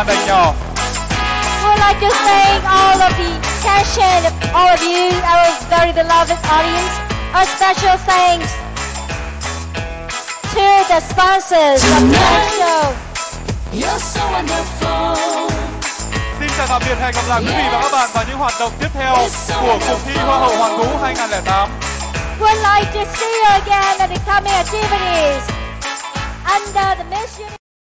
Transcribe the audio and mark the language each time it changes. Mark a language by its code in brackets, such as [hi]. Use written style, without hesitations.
[en] We'd like to thank all of the passion of all of you, our very beloved audience. A special thanks to the sponsors of the show. You're so wonderful. [vi] Xin chào tạm biệt, hẹn gặp lại quý vị và các bạn vào những hoạt động tiếp theo của cuộc thi Hoa hậu Hoàn vũ 2008. [en] We'd like to see you again at the coming activities under the mission.